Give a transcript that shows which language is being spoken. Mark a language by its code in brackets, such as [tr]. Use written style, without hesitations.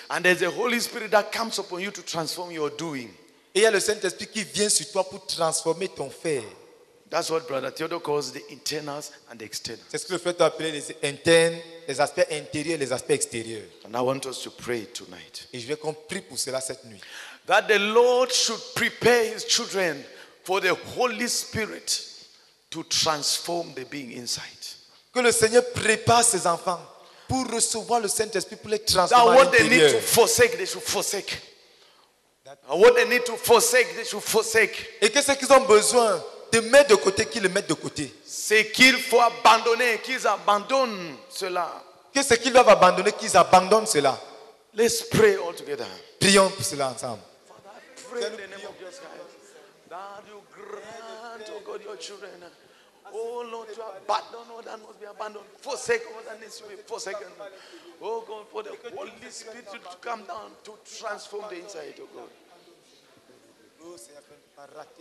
[en] And there's the Holy Spirit that comes upon you to transform your doing. [fr] Et il y a le Saint-Esprit qui vient sur toi pour transformer ton faire. [en] That's what Brother Theodore calls the internals and the externals. [fr] C'est ce que le frère t'a appelé les internes, les aspects intérieurs, les aspects extérieurs. [en] And I want us to pray tonight. [fr] Et je veux qu'on prie pour cela cette nuit. [en] That the Lord should prepare His children for the Holy Spirit to transform the being inside. [fr] Que le Seigneur prépare ses enfants pour recevoir le Saint-Esprit, pour les transformer. [en] That what they need to forsake, they should forsake. That what they need to forsake, they should forsake. [fr] Et qu'est-ce qu'ils ont besoin de mettre de côté, qu'ils le mettent de côté. C'est qu'il faut abandonner, qu'ils abandonnent cela. Qu'est-ce qu'ils doivent abandonner, qu'ils abandonnent cela. [en] Let's pray all together. [fr] Prions pour cela ensemble. [en] Father, I pray in the name of Jesus Christ. That you grant, oh God, your children, Oh Lord, to abandon all that must be abandoned. Forsake all that needs to be forsaken. Oh God, for the Holy Spirit to come down to transform the inside, oh God.